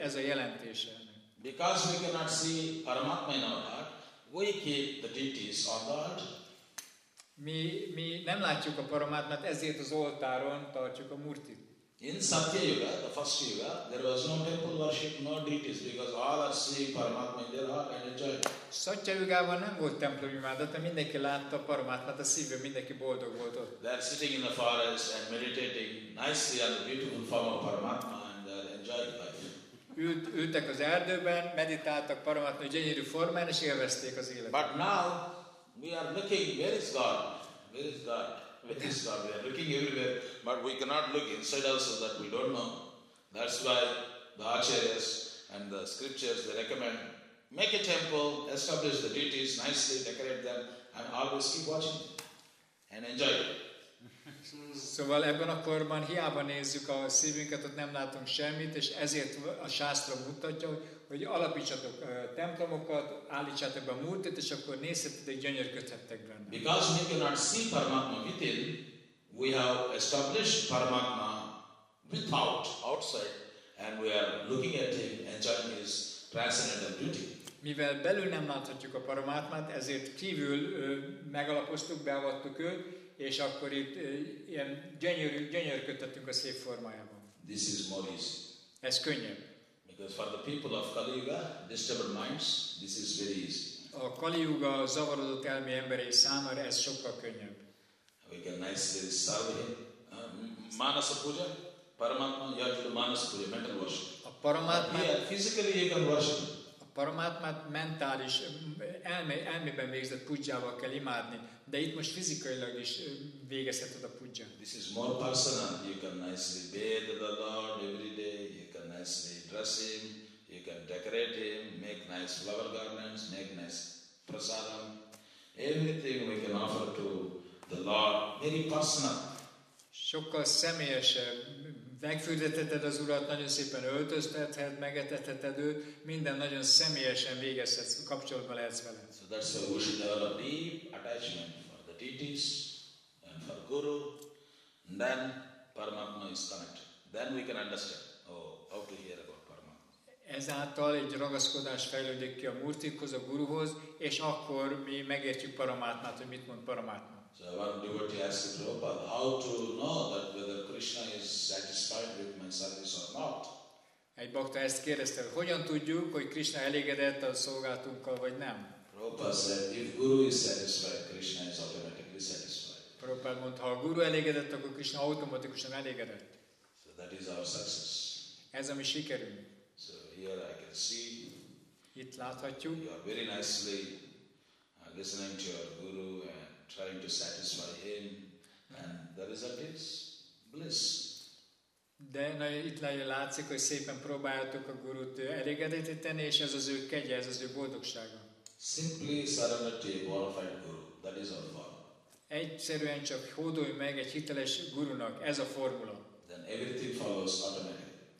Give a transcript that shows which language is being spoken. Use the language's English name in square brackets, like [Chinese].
[Hungarian] Ez a jelentése. [English] Because we cannot see Paramatma in our heart, we keep the deities on the altar. [Hungarian] Mi nem látjuk a Paramatmát, ezért az oltáron tartjuk a murtit. [English] In Satya Yuga, the first Yuga, there was no temple worship, no deities, because all are seeing Paramatma in their heart and enjoying. [Hungarian] Satya Yugában nem volt templomimádat, de mindenki látta Paramatmát a szívben, mindenki boldog volt ott. [English] They are sitting in the forest and meditating nicely on the beautiful form of Paramatma and they are enjoying life. [Hungarian] Ültek az erdőben, meditáltak Paramatma gyönyörű formán és élvezték az életet. [English] But now, we are looking, where is God? Where is God? With this God, we are looking everywhere, but we cannot look inside also, that we don't know. That's why the acharyas and the scriptures, they recommend, make a temple, establish the deities nicely, decorate them, and always keep watching and enjoy it. [Hungarian] Szóval ebben a korban hiába nézzük a szívünket, ott nem látunk semmit, és ezért a sásztra mutatja, hogy alapítsatok templomokat, állítsátok be a múltet, és akkor nézhetetek, gyönyörködhettek benne. [English] Because we cannot see Paramatma within, we have established Paramatma without, outside, and we are looking at him, enjoying his transcendental beauty. [Hungarian] Mivel belül nem láthatjuk a Paramatmát, ezért kívül megalapoztuk, beavattuk őt, és akkor itt ilyen gyönyörködtettünk a szép formájában. [English] This is more easy. [Hungarian] Ez könnyebb. [English] Because for the people of Kali Yuga, disturbed minds, this is very easy. [Hungarian] A Kali Yuga zavarodott elmi emberei számára ez sokkal könnyebb. [English] We can nicely serve him. Manasa puja, Paramatma, you have to do Manasa puja, mental worship. [Hungarian] A Paramatma, [English] yeah, physically you can worship. [Hungarian] Paramatmát mentális, elmében végzett pudzsával kell imádni, de itt most fizikailag is végezheted a pudzsa. [English] This is more personal. You can nicely bathe the Lord every day, you can nicely dress him, you can decorate him, make nice flower garlands, make nice prasadam. Everything we can offer to the Lord, very personal. [Hungarian] Sokkal személyesebb. Megfürdetheted az Urat, nagyon szépen öltöztetheted, megetetheted őt, minden nagyon személyesen végezhetsz, kapcsolatban lehetsz vele. [English] So that's why we should develop deep attachment for the deities and for Guru, and then Paramatma is connected. Then we can understand how to hear about Paramatma. [Hungarian] Ezáltal egy ragaszkodás fejlődik ki a Murtikhoz, a Guruhoz, és akkor mi megértjük Paramatmát, hogy mit mond Paramatma. [English] So one devotee asked Prabhupada, how to know that whether Krishna is satisfied with my service or not? [Hungarian] Egy bakta ezt kérdezte, hogyan tudjuk, hogy Krishna elégedett a szolgálatunkkal, vagy nem? [English] Prabhupada said, if Guru is satisfied, Krishna is automatically satisfied. [Hungarian] Prabhupada mondta, ha a guru elégedett, akkor Krishna automatikusan elégedett. [English] So that is our success. [Hungarian] Ez a mi sikerünk. [English] So here I can see. [Hungarian] Itt láthatjuk. [English] You are very nicely listening to your guru and trying to satisfy him, and the result is bliss. [Hungarian] De na, itt nagyon látszik, hogy szépen próbáljátok a gurut elégedetíteni, és ez az ő kegye, ez az ő boldogsága. [English] Simply surrender to a qualified guru. That is our form. [Hungarian] Egyszerűen csak hódolj meg egy hiteles gurunak, ez a formula. [English] Then everything follows automatically.